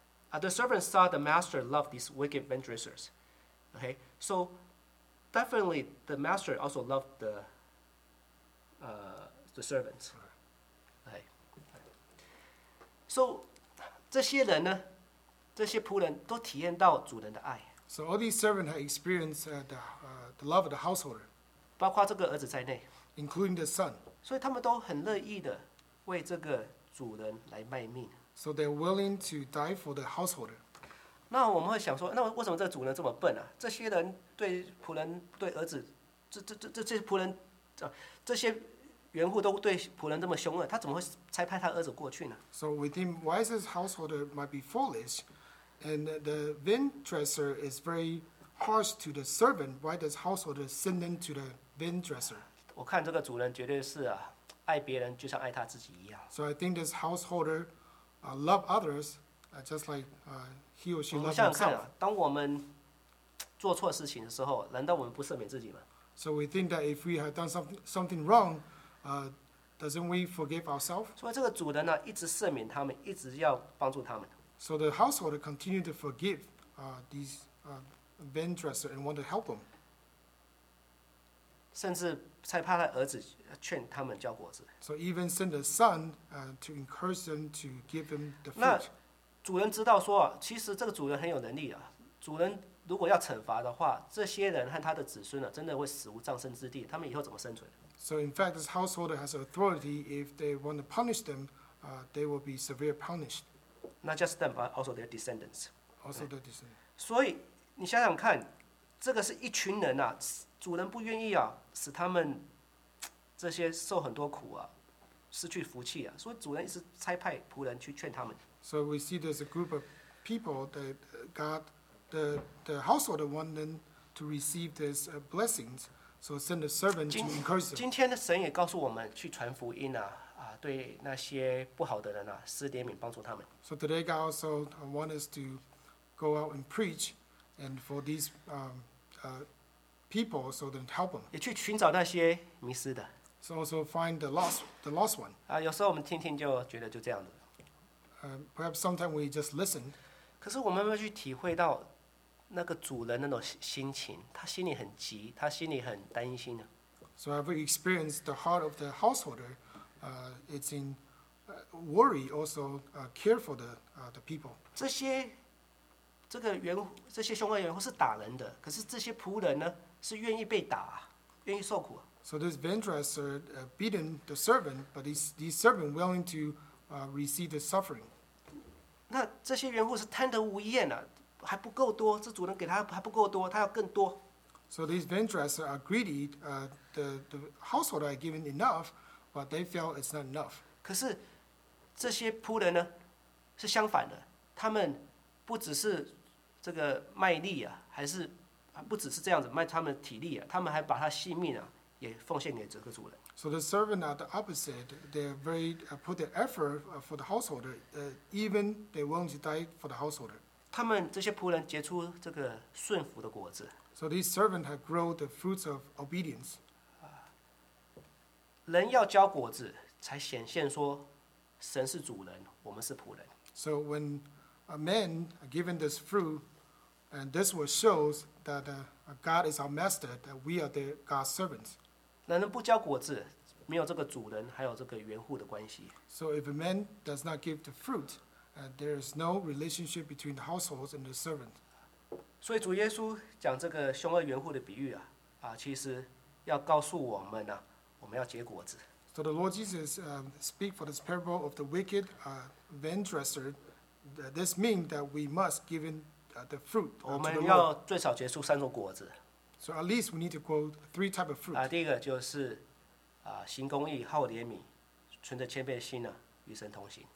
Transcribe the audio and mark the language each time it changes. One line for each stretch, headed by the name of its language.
English: The servant saw the master love these wicked vintressers. Okay, so definitely the master also loved the servants. Okay. So
Chinese: 这些人呢，这些仆人都体验到主人的爱。
English: So all these servants have experienced the love of the householder.
Chinese: 包括这个儿子在内。
English: Including the son.
Chinese: 所以他们都很乐意的为这个主人来卖命。
English: So they're willing to die for the householder.
Chinese: 那我们会想说，那为什么这主人这么笨啊？这些人对仆人对儿子，这些仆人，这些原户都对仆人这么凶恶，他怎么会差派他儿子过去呢
English: ？So we think why is this householder might be foolish, and the vintresser is very harsh to the servant. Why does householder send them to the vintresser?
Chinese: 我看这个主人绝对是啊，爱别人就像爱他自己一样。
English: So I think this householder. Love others, just like he or she loves himself.
Chinese: 我们想看啊，当我们做错事情的时候，难道我们不赦免自己吗
English: ？So we think that if we have done something wrong, doesn't we forgive ourselves?
Chinese: 所以这个主人呢，一直赦免他们，一直要帮助他们。
English: So the householder continued to forgive these vintressers and want to help them.
Chinese: 甚至差派他儿子劝他们交果子。
English: So even send the son to encourage them to give them the fruit.
Chinese: 那主人知道说，其实这个主人很有能力啊。主人如果要惩罚的话，这些人和他的子孙呢，真的会死无葬身之地。他们以后怎么生存
English: ？So in fact, this householder has authority. If they want to punish them, they will be severely punished. Not just them, but also their descendants. Also their descendants.
Chinese: 所以你想想看，这个是一群人啊。主人不愿意啊，使他们这些受很多苦啊，失去福气啊，所以主人一直差派仆人去劝他们。
English: So we see there's a group of people that God, the householder want them to receive this blessings, so send the servant to encourage them.
Chinese: 今天的神也告诉我们去传福音啊，对那些不好的人啊，施怜悯帮助他们。
English: So today God also want us to go out and preach, and for these people, so then help them.
Chinese: 也去寻找那些迷失的。
English: So also find the lost one.
Chinese: 有时候我们听听就觉得就这样子。
English: Perhaps sometimes we just listen.
Chinese: 可是我们要去体会到那个主人那种心情，他心里很急，他心里很担心的。
English: So have we experienced the heart of the householder? It's in worry, also care for the people.
Chinese: 这些凶恶人是打人的，可是这些仆人呢？是愿意被打，愿意受苦。
English: So this vintresser beaten the servant, but these servant willing to receive the suffering.
Chinese: 那这些原户是贪得无厌啊，还不够多，这主人给他还不够多，他要更多。
English: So these vintresser are greedy. The householder are given enough, but they feel it's not enough.
Chinese: 可是这些仆人呢，是相反的，他们不只是这个卖力啊，还是。不只是这样子卖他们的体力、啊、他们还把他性命、啊、也奉献给这个主人。
English: So the servant are the opposite. They are very put their effort for the householder. Even they willing to die for the householder.
Chinese: 他们这些仆人结出这个顺服的果子。
English: So these servants have grown the fruits of obedience.
Chinese: 人要交果子，才显现说神是主人，我们是仆人。
English: So when a man given this fruit, and this will shows that God is our master, that we are the God's servants.
Chinese: 男人不交果子，没有这个主人，还有这个原户的关系。
English: So if a man does not give the fruit, there is no relationship between the households and the servants.
Chinese: 所以主耶稣讲这个凶恶原户的比喻啊，其实要告诉我们啊，我们要结果子。
English: So the Lord Jesus speak for this parable of the wicked vintresser. This mean that we must give in. The fruit,
Chinese: 我们要最少结出三种果子。
English: So at least we need to grow three type of fruit.
Chinese: 第一个就是行公义、好怜悯、存着谦卑的心呢、啊，与神同行。